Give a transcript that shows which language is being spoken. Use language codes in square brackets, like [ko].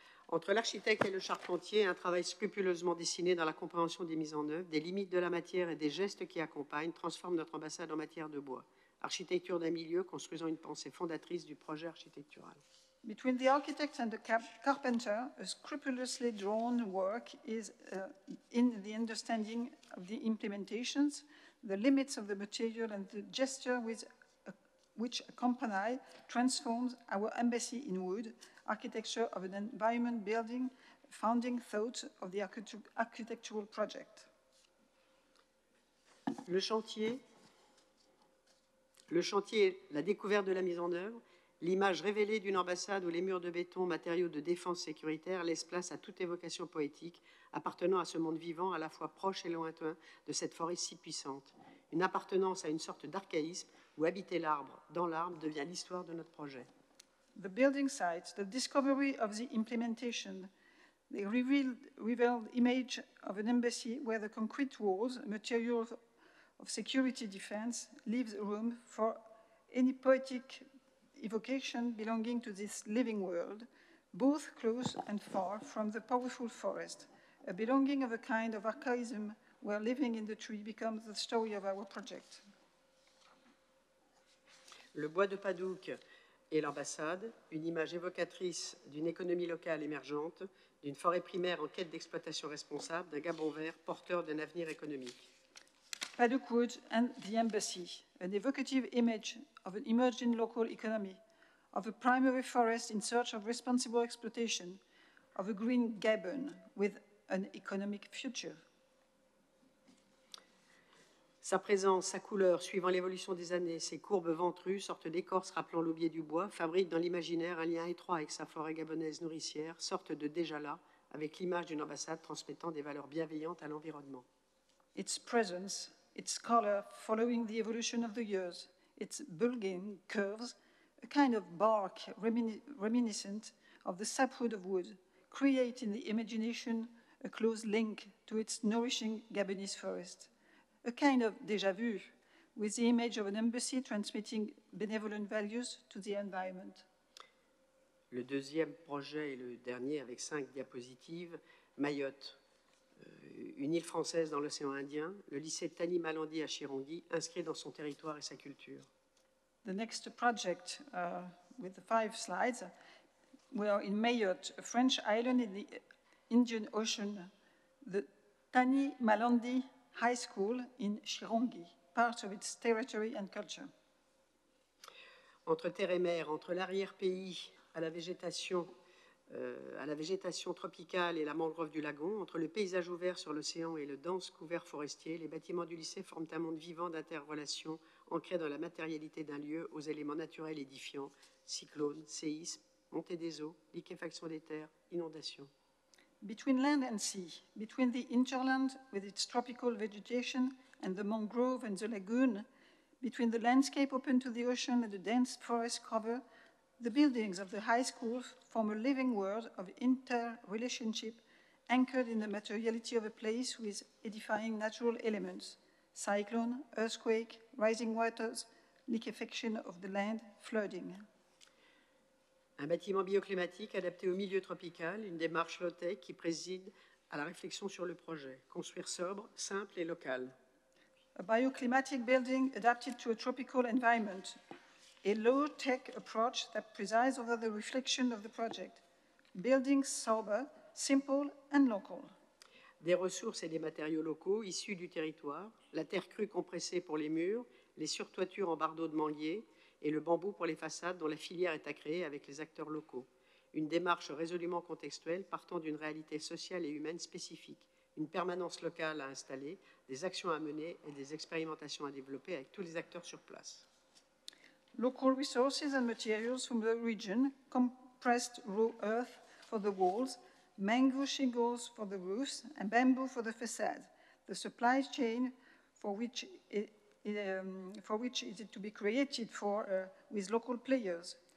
[fr] Entre l'architecte et le charpentier, un travail scrupuleusement dessiné dans la compréhension des mises en œuvre, des limites de la matière et des gestes qui accompagnent, transforme notre ambassade en matière de bois. Architecture d'un milieu construisant une pensée fondatrice du projet architectural. [en] Between the architect and the carpenter, a scrupulously drawn work is in the understanding of the implementations, the limits of the material and the gesture with which a company transforms our embassy in wood, architecture of an environment building, founding thought of the architectural project. [fr] Le chantier, la découverte de la mise en œuvre, l'image révélée d'une ambassade où les murs de béton, matériaux de défense sécuritaire, laissent place à toute évocation poétique appartenant à ce monde vivant à la fois proche et lointain de cette forêt si puissante. Une appartenance à une sorte d'archaïsme où habiter l'arbre dans l'arbre devient l'histoire de notre projet. [en] The building site, the discovery of the implementation, the revealed image of an embassy where the concrete walls, materials of security defense, leaves room for any poetic evocation belonging to this living world, both close and far from the powerful forest, a belonging of a kind of archaism where living in the tree becomes the story of our project. [fr] Le bois de Padoue et l'ambassade, une image évocatrice d'une économie locale émergente, d'une forêt primaire en quête d'exploitation responsable, d'un Gabon vert porteur d'un avenir économique. [en] Padoue Wood and the Embassy, an evocative image of an emerging local economy, of a primary forest in search of responsible exploitation, of a green Gabon with an economic future. [fr] Sa présence, sa couleur, suivant l'évolution des années, ses courbes ventrues, sorte d'écorce rappelant l'aubier du bois, fabrique dans l'imaginaire un lien étroit avec sa forêt gabonaise nourricière, sorte de déjà-là, avec l'image d'une ambassade transmettant des valeurs bienveillantes à l'environnement. [en] Its presence, its color, following the evolution of the years, its bulging curves, a kind of bark reminiscent of the sapwood of wood, create in the imagination a close link to its nourishing Gabonese forest. A kind of déjà vu, with the image of an embassy transmitting benevolent values to the environment. [fr] Le deuxième projet est le dernier avec 5 diapositives, Mayotte. Une île française dans l'océan Indien, le lycée Tani Malandi à Chirongi, inscrit dans son territoire et sa culture. [en] The next project, with the 5 slides, we are in Mayotte, a French island in the Indian Ocean, the Tani Malandi High School in Chirongi, part of its territory and culture. [fr] Entre terre et mer, entre l'arrière-pays à la végétation tropicale et la mangrove du lagon, entre le paysage ouvert sur l'océan et le dense couvert forestier, les bâtiments du lycée forment un monde vivant d'interrelations ancrées dans la matérialité d'un lieu aux éléments naturels édifiants, cyclones, séismes, montée des eaux, liquéfaction des terres, inondations. [en] Between land and sea, between the interland with its tropical vegetation and the mangrove and the lagoon, between the landscape open to the ocean and the dense forest cover, the buildings of the high school form a living world of interrelationship anchored in the materiality of a place with edifying natural elements, cyclone, earthquake, rising waters, liquefaction of the land, flooding. [fr] Un bâtiment bioclimatique adapté au milieu tropical, une démarche low-tech qui préside à la réflexion sur le projet. Construire sobre, simple et local. [en] A bioclimatic building adapted to a tropical environment. A low-tech approach that presides over the reflection of the project. Building sober, simple and local. [fr] Des ressources et des matériaux locaux issus du territoire. La terre crue compressée pour les murs, les surtoitures en bardeaux de manguier, et le bambou pour les façades dont la filière est à créer avec les acteurs locaux. Une démarche résolument contextuelle partant d'une réalité sociale et humaine spécifique, une permanence locale à installer, des actions à mener et des expérimentations à développer avec tous les acteurs sur place. [en] Local resources and materials from the region, compressed raw earth for the walls, mango shingles for the roofs and bamboo for the facade, the supply chain for which it with local players.